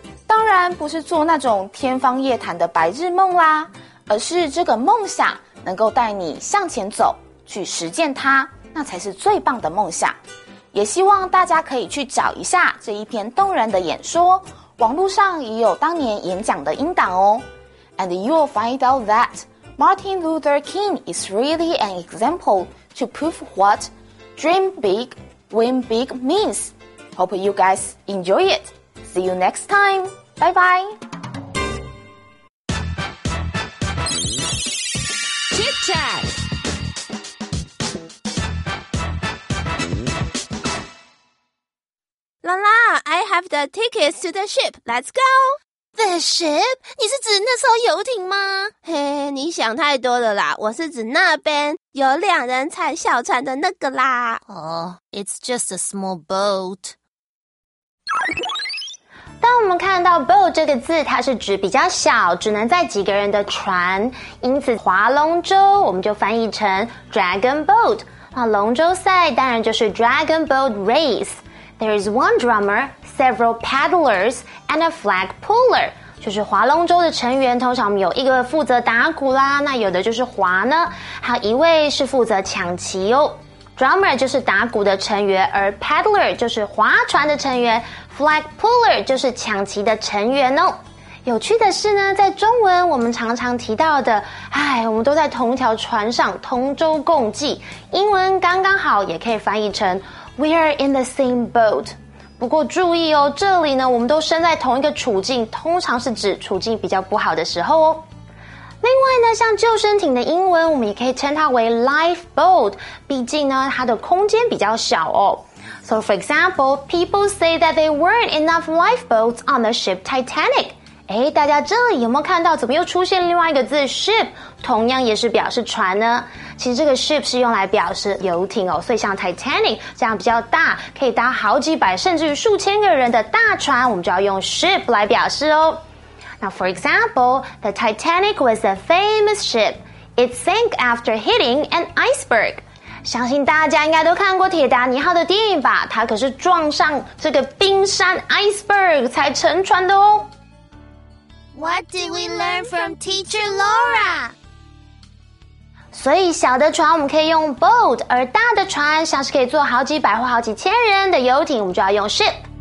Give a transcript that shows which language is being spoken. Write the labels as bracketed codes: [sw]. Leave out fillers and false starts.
[zh] 当然不是做那种天方夜谭的白日梦啦，而是这个梦想能够带你向前走，去实践它，那才是最棒的梦想。也希望大家可以去找一下这一篇动人的演说，网络上也有当年演讲的音档哦。 [en] And you will find out that Martin Luther King is really an example to prove what Dream big, win big means. Hope you guys enjoy it. See you next time. Bye bye. Chit chat. Lala, I have the tickets to the ship. Let's go. The ship? [zh] 你是指那艘游艇吗？嘿，你想太多了啦，我是指那边有两人踩小船的那个啦。 [en] It's just a small boat. [zh] 当我们看到 boat 这个字，它是指比较小，只能载几个人的船，因此划龙舟我们就翻译成 dragon boat。那龙舟赛当然就是 dragon boat race。 [en] There is one drummer, several paddlers, and a flag puller. [zh] 就是划龙舟的成员，通常我们有一个负责打鼓啦，那有的就是划呢，还有一位是负责抢旗哦。 Drummer 就是打鼓的成员，而 paddler 就是划船的成员， flag puller 就是抢旗的成员哦。有趣的是呢，在中文我们常常提到的，我们都在同条船上，同舟共济，英文刚刚好也可以翻译成 [en] We are in the same boat. [zh] 不过注意哦，这里呢，我们都身在同一个处境，通常是指处境比较不好的时候哦。另外呢，像救生艇的英文，我们也可以称它为 lifeboat， 毕竟呢，它的空间比较小哦。 [en] So for example, people say that there weren't enough lifeboats on the ship Titanic. [zh] 大家这里有没有看到，怎么又出现另外一个字 ship， 同样也是表示船呢？其实这个 ship 是用来表示游艇哦，所以像 Titanic 这样比较大，可以搭好几百甚至于数千个人的大船，我们就要用 ship 来表示哦。 [en] Now for example, the Titanic was a famous ship. It sank after hitting an iceberg. [zh] 相信大家应该都看过铁达尼号的电影吧，它可是撞上这个冰山 iceberg 才沉船的哦。 [en] What did we learn from Teacher Laura? [zh] 所以小的船我们可以用 boat， 而大的船像是可以坐好几百或好几千人的游艇，我们就要用 ship。